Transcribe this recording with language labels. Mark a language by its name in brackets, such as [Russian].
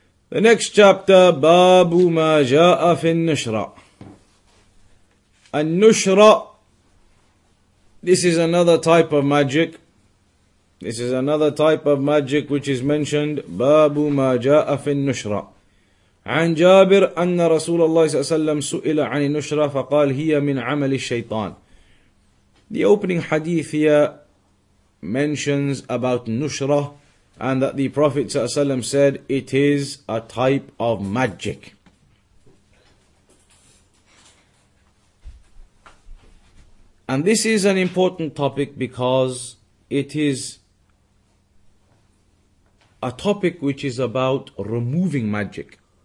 [English] The next chapter, Babu ma ja'a fi an-nushra. An-nushra, this is another type of magic. This is another type of magic which is mentioned. Babu ma ja'a fi an-nushra. [Arabic] عن جابر أن رسول الله صلى الله عليه وسلم سئل عن النشرة فقال هي من عمل الشيطان. [English] The opening hadith here mentions about نشرة, and that the Prophet صلى الله عليه وسلم said it is a type of magic. And this is an important topic because it is a topic which is about removing magic.